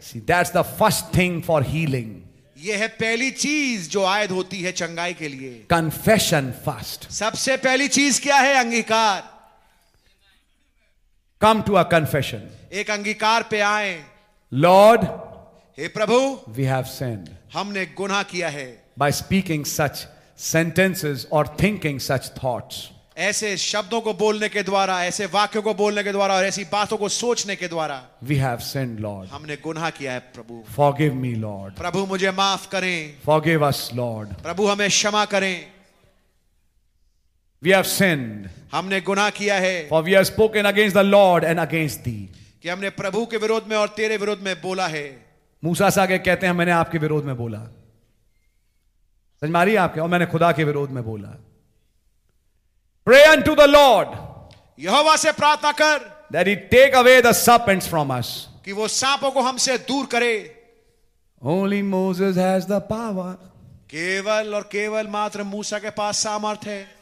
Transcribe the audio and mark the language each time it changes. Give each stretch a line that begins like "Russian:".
English: See, that's the first thing for healing.
Hindi: यह है पहली चीज जो आयद होती है चंगाई के लिए.
English: Confession first.
Hindi: सबसे पहली चीज क्या है? अंगीकार.
English: Come to a confession.
Hindi: एक अंगीकार पे आए.
English: lord,
Hindi: hey Prabhu,
English: We have sinned.
Hindi: हमने गुनाह किया है.
English: By speaking such sentences और thinking such thoughts.
Hindi: ऐसे शब्दों को बोलने के द्वारा, ऐसे वाक्यों को बोलने के द्वारा और ऐसी बातों को सोचने के द्वारा,
English: We have sinned lord.
Hindi: हमने गुनाह किया है प्रभु.
English: Forgive me lord.
Hindi: प्रभु मुझे माफ करें.
English: Forgive us lord.
Hindi: प्रभु हमें क्षमा करें.
English: We have sinned.
Hindi: हमने गुनाह किया है.
English: For we have spoken against the lord and against thee.
Hindi: कि हमने प्रभु के विरोध में और तेरे विरोध में बोला है. मूसा से आगे कहते हैं, मैंने आपके विरोध में बोला. समझ मारी आपके? और मैंने खुदा के विरोध में बोला.
English: Pray unto the Lord.
Hindi: यहोवा से प्रार्थना कर.
English: That he take away the serpents from us.
Hindi: कि वो सांपों को हमसे दूर करे.
English: Only Moses has the power.
Hindi: केवल और केवल मात्र मूसा के पास सामर्थ है.